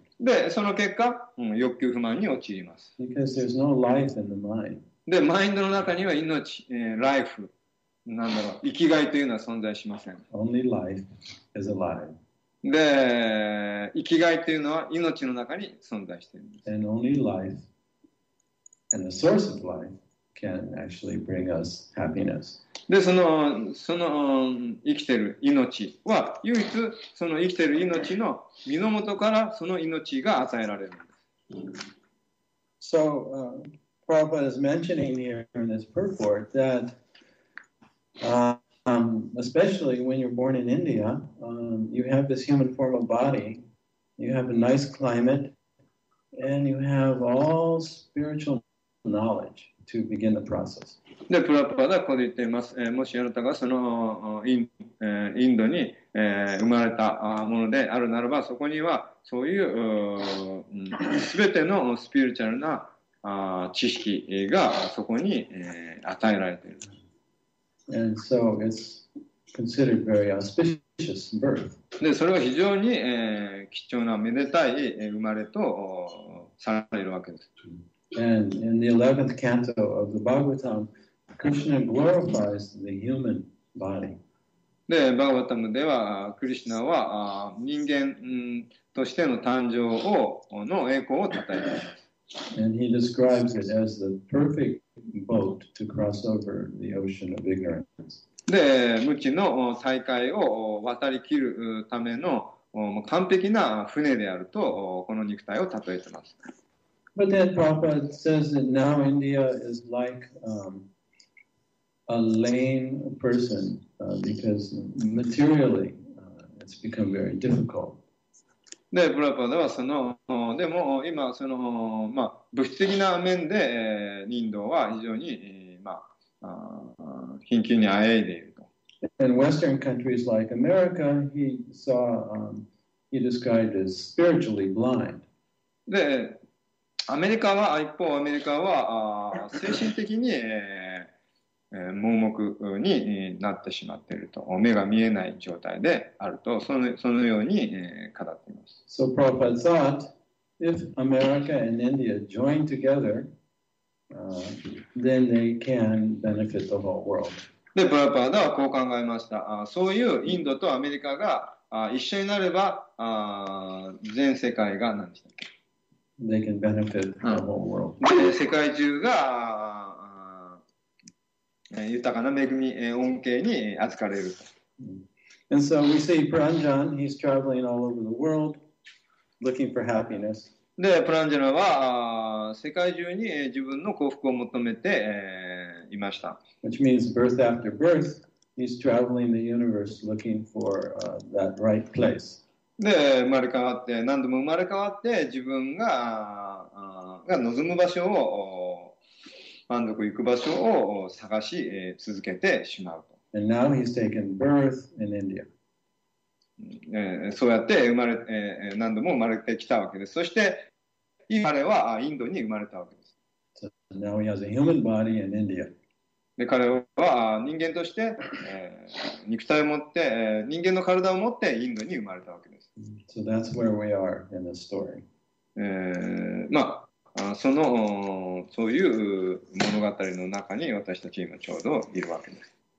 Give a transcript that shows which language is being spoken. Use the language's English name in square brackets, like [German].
[Japanese] で、その結果、欲求不満に陥ります。 [English] Because there's no life in the mind. [Japanese] で、マインドの中には命、ライフ、なんだろう、生きがいというのは存在しません。 [English] Only life is alive. [Japanese] で、生きがいというのは命の中に存在しています。 [English] And only life and the source of life can actually bring us happiness. [Japanese] で、その生きている命は唯一その生きている命の源からその命が与えられるんです。 [English] So, Prabhupada is mentioning here in this purport that, especially when you're born in India, you have this human form of body, you have a nice climate, and you have all spiritual knowledge to begin the process. [Japanese] で、プラパダはここで言っています。もしあなたがそのインドに生まれたものであるならば、そこにはそういうすべてのスピリチュアルな知識がそこに与えられている。 [English] And so it's considered very auspicious birth. [Japanese] で、それは非常に貴重なめでたい生まれとされるわけです。 [English] And in the 11th canto of the Bhagavatam,Krishna glorifies the human body. [Japanese] で、バガヴァタムでは、クリシュナは人間としての誕生をの栄光を称えています。 [English] And he describes it as the perfect boat to cross over the ocean of ignorance. [Japanese] で、無知の大海を渡り切るための完璧な船であるとこの肉体を称えています。 [English] But then Prabhupada says that now India is like a lame person, because materially, it's become very difficult. [Japanese] で、プラパダはその、でも今その、まあ、物質的な面で、インドは非常に、まあ、貧窮にあえいでいると。 [English] In Western countries like America, he saw, he described as spiritually blind. [Japanese] で、アメリカは、一方アメリカは、精神的に、盲目になってしまっていると、目が見えない状態であると、そのように語っています。 [English] So Prabhupada thought, if America and India join together, then they can benefit the whole world. [Japanese] で、プラパダはこう考えました。そういうインドとアメリカが一緒になれば、全世界が何でしたっけ? [English] They can benefit the whole world. [Japanese] で、世界中が豊かな恵み、恩恵に預かれる。 [English] And so we see Paranjan, he's traveling all over the world looking for happiness. [Japanese] で、プランジャナは世界中に自分の幸福を求めて、いました。 [English] Which means birth after birth, he's traveling the universe looking for that right place. [Japanese] で、生まれ変わって、何度も生まれ変わって、自分が、が望む場所を満足行く場所を探し続けてしまうと。 [English] And now he's taken birth in India. [Japanese] そうやって生まれ、何度も生まれてきたわけです。そして今彼はインドに生まれたわけです。 [English] So、now he has a human body in India. [Japanese] で彼は人間として、肉体を持って、人間の体を持ってインドに生まれたわけです。 [English] So that's where we are in the story. [Japanese] まあそのそういう物語の中に私たち今ちょうどいるわけです。